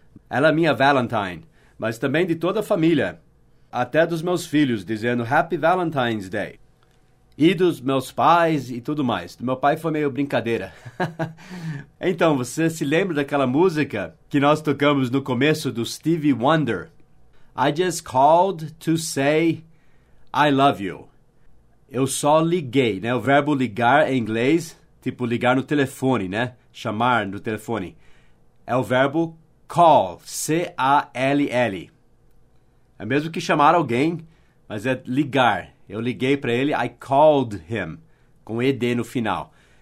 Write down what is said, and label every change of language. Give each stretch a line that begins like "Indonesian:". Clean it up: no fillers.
Portuguese: Ela é minha Valentine, mas também de toda a família. Até dos meus filhos, dizendo
English: Happy Valentine's Day.
Portuguese: E dos meus pais e tudo mais. Do meu pai foi meio brincadeira. Então, você se lembra daquela música que nós tocamos no começo do Stevie Wonder?
English: I just called to say I love you.
Portuguese: Eu só liguei, né? O verbo ligar em inglês, tipo ligar no telefone, né? Chamar no telefone. É o verbo call, C-A-L-L. É mesmo que chamar alguém, mas é ligar. Eu liguei para ele,
English: I called him,
Portuguese: com ED no final.